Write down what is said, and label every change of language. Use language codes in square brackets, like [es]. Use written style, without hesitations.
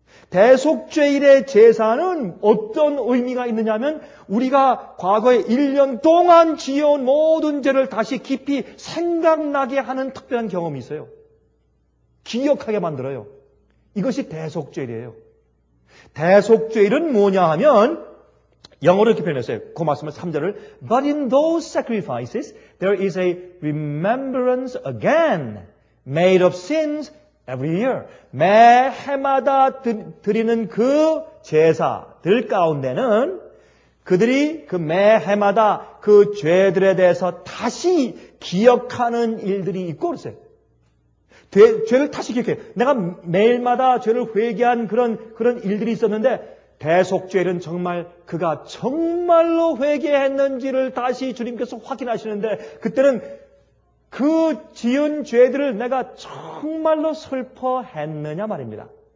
[ko] 대속죄일의 제사는 어떤 의미가 있느냐 하면 우리가 과거에 1년 동안 지어온 모든 죄를 다시 깊이 생각나게 하는 특별한 경험이 있어요. 기억하게 만들어요. 이것이 대속죄일이에요. 대속죄일은 뭐냐 하면 영어로 이렇게 표현했어요. 그 말씀을 3절을 [en] But in those sacrifices there is a remembrance again made of sins every year. [ko] 매 해마다 드리는 그 제사들 가운데는 그들이 그 매 해마다 그 죄들에 대해서 다시 기억하는 일들이 있고 그랬어요. 죄를 다시 기억해. 내가 매일마다 죄를 회개한 그런 일들이 있었는데 대속죄일은 정말 그가 정말로 회개했는지를 다시 주님께서 확인하시는데 그때는 그 지은 죄들을 내가 정말로 슬퍼했느냐 말입니다.